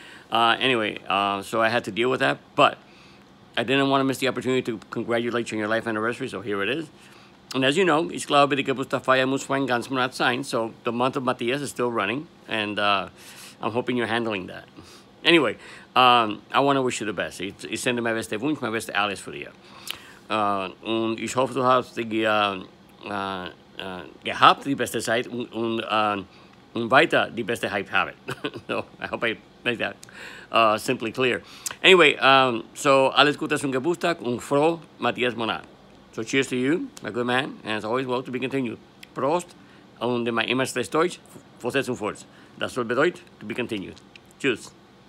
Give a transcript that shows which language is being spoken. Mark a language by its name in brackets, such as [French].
[English] so I had to deal with that, but I didn't want to miss the opportunity to congratulate you on your life anniversary, so here it is. And as you know, [German] ich glaube, die Geburtstagfeier muss von ganz Monat sein, [English] so the month of Matthias is still running, and I'm hoping you're handling that. Anyway, I want to wish you the best. [German] Ich sende mein beste Wunsch, mein beste alles für dich. Und ich hoffe, du hast die, gehabt die beste Zeit und weiter die beste Hype haben. [English] So, I hope I make that simply clear. Anyway, so [German] alles Gute zum Geburtstag und froh Matthias Monat. [English] So cheers to you, my good man, and as always, well to be continued. [German] Prost, und in my immer stress Deutsch, Vorsetzung Forz. Das soll bedeutet, [English] to be continued. [German] Tschüss.